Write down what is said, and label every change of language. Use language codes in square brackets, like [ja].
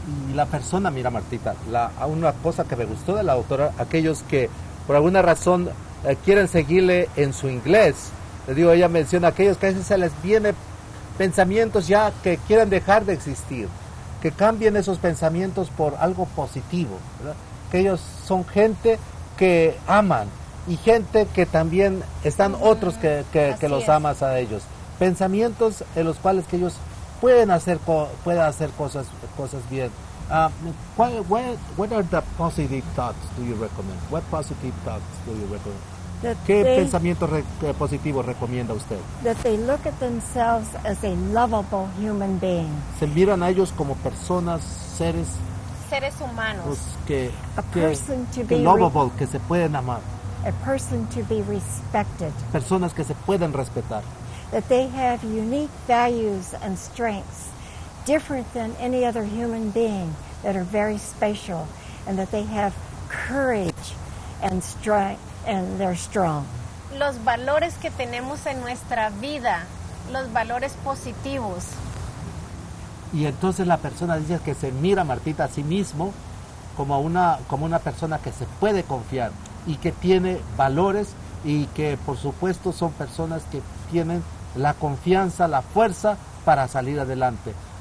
[es] Y la persona, mira Martita, a una cosa que me gustó de la doctora, aquellos que por alguna razón quieren seguirle en su inglés, le digo, ella menciona aquellos que a veces se les viene pensamientos ya que quieren dejar de existir, que cambien esos pensamientos por algo positivo, ¿verdad? Que ellos son gente que aman y gente que también están otros que los amas a ellos. Pensamientos en los cuales que ellos pueden hacer cosas bien. [en] What are the positive thoughts do you recommend? What positive thoughts do you recommend? [es] ¿Qué pensamiento positivo recomienda usted? [en] That they look at themselves as a lovable human being. [es] Se miran a ellos como personas, seres humanos. Pues que se pueden amar. [en] A person to be respected. [es] Personas que se pueden respetar. [en] That they have unique values and strengths, different than any other human being, that are very special, and that they have courage and strength. And they're strong. [es] Los valores que tenemos en nuestra vida, los valores positivos. Y entonces la persona dice que se mira Martita a sí mismo como una persona que se puede confiar y que tiene valores y que por supuesto son personas que tienen la confianza, la fuerza para salir adelante.